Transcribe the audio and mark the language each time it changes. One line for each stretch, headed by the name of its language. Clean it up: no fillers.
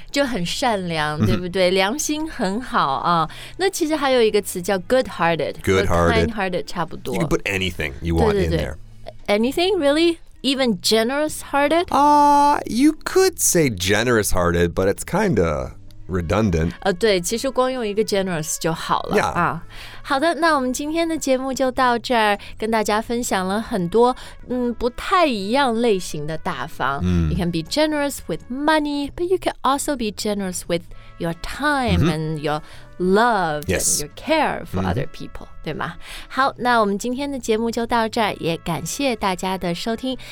Chinese: 就很善良，对不对？良心很好啊。那其实还有一个词叫 good-hearted.
English: Good-hearted.
Chinese: Kind-hearted 差不多。
English: You can put anything you want in there. Anything, really? Even generous-hearted? You could say generous-hearted, but it's kind of redundant.
Chinese: 对，其实光用一个 generous 就好了。
English: Yeah.
Chinese: 好的，那我们今天的节目就到这儿，跟大家分享了很多不太一样类型的大方。
English: You can be generous with money, but you can also be generous with your time and your love and your care for other people,
Chinese: 对吗？好，那我们今天的节目就到这儿，也感谢大家的收听。